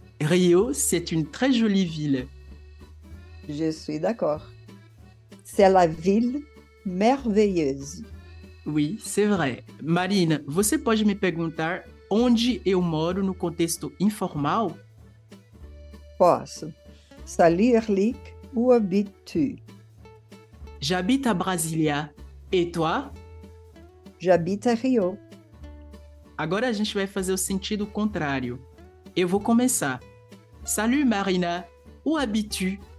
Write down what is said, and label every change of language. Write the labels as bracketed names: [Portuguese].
[French] Rio, c'est une très jolie ville. Je suis d'accord. C'est la ville merveilleuse. Oui, c'est vrai. [Portuguese] Marina, você pode me perguntar onde eu moro no contexto informal? Posso. [French] Salut, Erlik. Où habites-tu? J'habite à Brasília. Et toi? J'habite à Rio. [Portuguese] Agora a gente vai fazer o sentido contrário. Eu vou começar. [French] Salut Marina, où habites-tu?